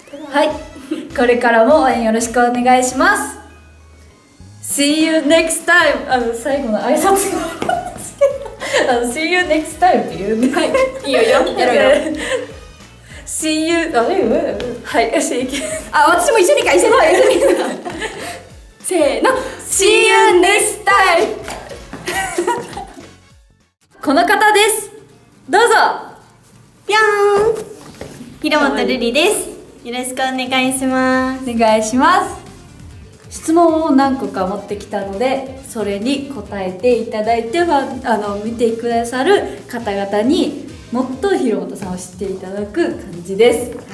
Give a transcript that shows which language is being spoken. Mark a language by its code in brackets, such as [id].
[ja] はい、これからも応援よろしくお願いします。 [en] See you next time。 [ja] あの最後の挨拶があるんですけど、あの [en] See you next time [ja] って言うね。はい、いいよ、やろよ。 [en] See you、 [ja] あれ、はい、私も一緒にか、一緒にか、一緒にか。せーの、 [en] See you next time。 [ja] この方です、どうぞ。ぴょーん、平本瑠璃です。よろしくお願いします。お願いします。質問を何個か持ってきたので、それに答えていただいて、あの見てくださる方々にもっと平本さんを知っていただく感じです。